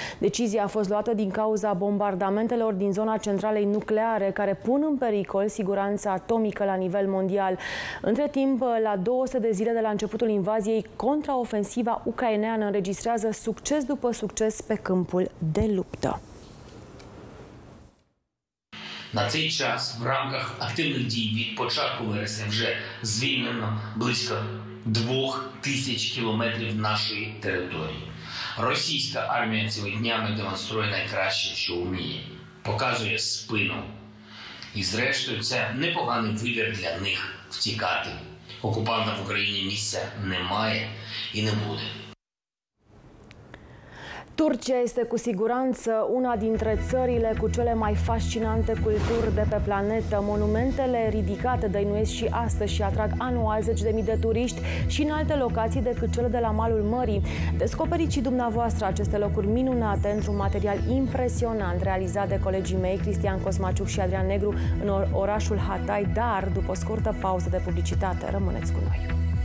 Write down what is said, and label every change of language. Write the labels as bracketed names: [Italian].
[Romanian] Decizia a fost luată din cauza bombardamentelor din zona centralei nucleare, care pun în pericol siguranța atomică la nivel mondial. Între timp, la 200 de zile de la începutul invaziei, contraofensiva ucraineană înregistrează succes după succes pe câmpul de luptă. [Ukrainian] На цей час в рамках активних дій від початку вересня вже звільнено близько 2000 кілометрів нашої території. Російська армія цими днями демонструє найкраще, що вміє. Показує спину. І зрештою це непоганий вибір для них втікати. Окупанта в Україні місця немає і не буде. [Romanian] Turcia este cu siguranță una dintre țările cu cele mai fascinante culturi de pe planetă. Monumentele ridicate dăinuiesc și astăzi și atrag anual 10.000 de turiști și în alte locații decât cele de la malul mării. Descoperiți și dumneavoastră aceste locuri minunate într-un material impresionant realizat de colegii mei, Cristian Cosmaciuc și Adrian Negru, în orașul Hatay, dar după o scurtă pauză de publicitate. Rămâneți cu noi!